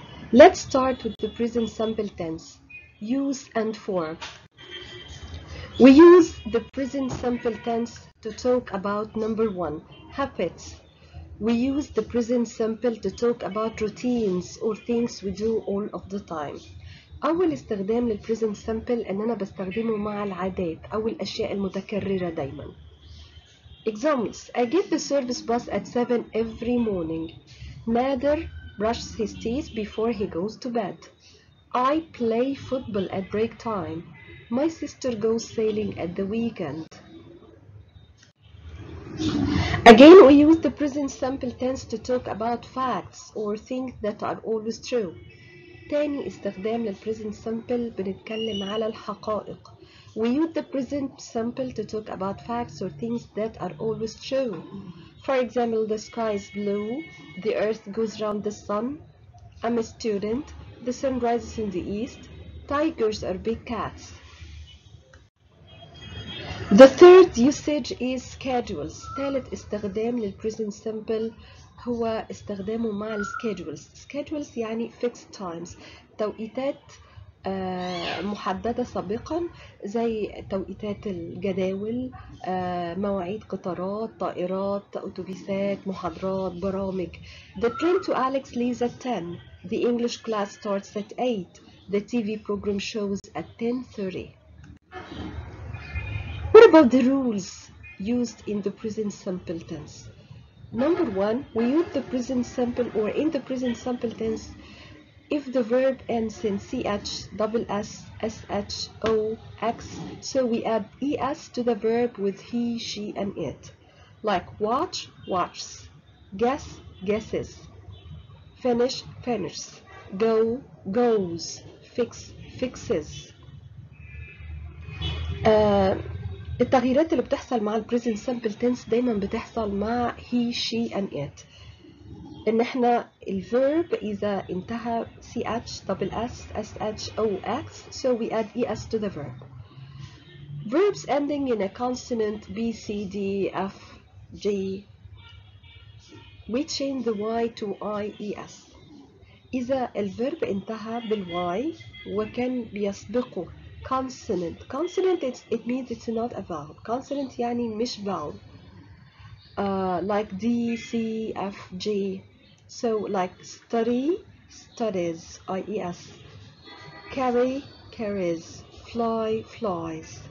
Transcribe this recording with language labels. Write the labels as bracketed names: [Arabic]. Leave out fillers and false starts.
[English] Let's start with the present simple tense, use and form. We use the present simple tense to talk about number one, habits. We use the present simple to talk about routines or things we do all of the time. [Arabic] أول استخدام للpresent simple إن أنا بستخدمه مع العادات أو الأشياء المتكررة دايما. [English] Examples: I get the service bus at 7 every morning. Nader brushes his teeth before he goes to bed. I play football at break time. My sister goes sailing at the weekend. Again, we use the present simple tense to talk about facts or things that are always true. [Arabic] تاني استخدام للpresent simple بنتكلم على الحقائق. [English] We use the present simple to talk about facts or things that are always true. For example, the sky is blue, the earth goes round the sun, I'm a student, the sun rises in the east, tigers are big cats. The third usage is schedules. [Arabic] تالت استخدام للpresent simple هو استخدامه مع schedules. Schedules يعني [English] fixed times, [Arabic] توقيتات محددة سابقا زي توقيتات الجداول, مواعيد قطارات, طائرات, أوتوبيسات, محاضرات, برامج. [English] The train to Alex leaves at 10. The English class starts at 8. The TV program shows at 10:30. What about the rules used in the present simple tense? Number one, we use the present simple or in the present simple tense if the verb ends in ch, double s, sh, o, x, so we add es to the verb with he, she, and it. Like watch, watches. Guess, guesses. Finish, finishes. Go, goes. Fix, fixes. [Arabic] التغييرات اللي بتحصل مع الـ present simple tense دايما بتحصل مع [English] he, she, and it. [Arabic] إن إحنا الverb إذا انتهى [English] ch, double s, sh, o, x, so we add es to the verb. Verbs ending in a consonant b, c, d, f, g, we change the y to i, es. [Arabic] إذا الverb انتهى بالy وكان بيسبقه consonant. [English] Consonant, it means it's not a vowel. Consonant [Arabic] يعني مش [English] vowel. Like d, c, f, g. So, like study, studies, i.e.s. Carry, carries. Fly, flies.